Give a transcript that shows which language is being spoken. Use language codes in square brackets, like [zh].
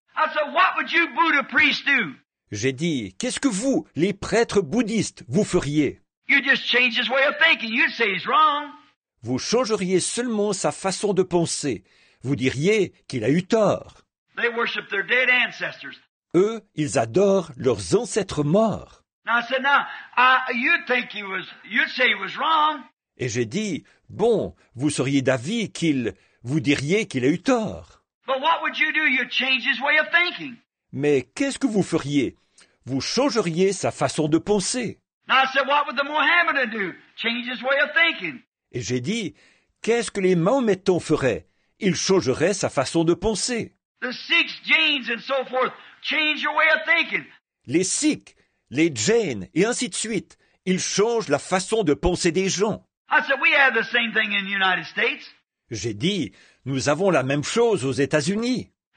[en] I said, what would you Buddha priest do? [fr] J'ai dit, qu'est-ce que vous, les prêtres bouddhistes, vous feriez? [en] You just change his way of thinking. You'd say he's wrong. [fr] Vous changeriez seulement sa façon de penser. Vous diriez qu'il a eu tort. [en] They worship their dead ancestors. [fr] Eux, ils adorent leurs ancêtres morts. [en] Now, I said, you'd say he was wrong. [fr] Et j'ai dit, bon, vous seriez d'avis qu'il... Vous diriez qu'il a eu tort. [en] But what would you do? You'd change his way of thinking. [fr] Mais qu'est-ce que vous feriez? Vous changeriez sa façon de penser. [en] Now I said, what would the Mohammedan do? Change his way of thinking. [fr] Et j'ai dit, qu'est-ce que les Mahométans feraient? Ils changeraient sa façon de penser. [en] The Sikhs, Jains, and so forth, change your way of thinking. [fr] Les Sikhs, les Jains, et ainsi de suite, ils changent la façon de penser des gens. [en] I said, we have the same thing in the United States. [fr] J'ai dit, nous avons la même chose aux États-Unis.